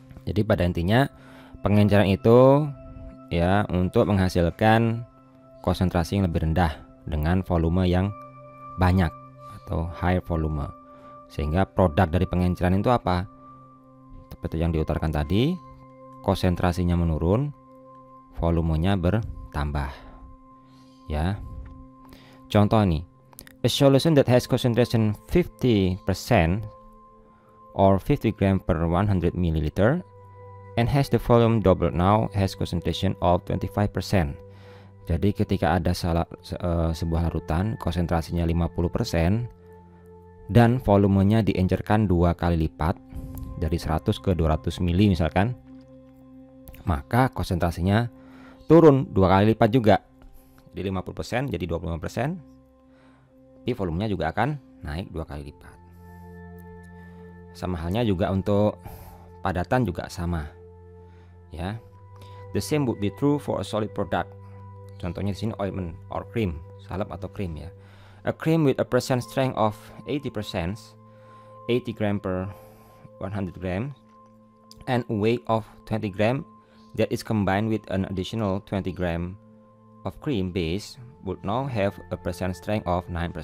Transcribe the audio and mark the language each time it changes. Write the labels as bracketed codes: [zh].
[id] Jadi pada intinya pengenceran itu ya untuk menghasilkan konsentrasi yang lebih rendah dengan volume yang banyak atau [en] higher volume. [id] Sehingga produk dari pengenceran itu apa? Seperti yang diutarakan tadi, konsentrasinya menurun, volumenya bertambah. bertambah. Ya. Contoh nih. [en] A solution that has concentration 50% or 50 gram per 100 milliliter and has the volume double now has concentration of 25%. [id] Jadi ketika ada sebuah larutan konsentrasinya 50% dan volumenya diencerkan 2 kali lipat dari 100 ke 200 mili misalkan, maka konsentrasinya turun 2 kali lipat juga. Jadi 50% jadi 25%. Tapi volumenya juga akan naik 2 kali lipat. Sama halnya juga untuk padatan juga sama. Ya. [en] The same would be true for a solid product. [id] Contohnya di sini [en] ointment or cream, [id] salep atau krim ya. [en] A cream with a percent strength of 80%, 80 gram per 100 gram, and a weight of 20 gram that is combined with an additional 20 gram of cream base would now have a percent strength of 9%.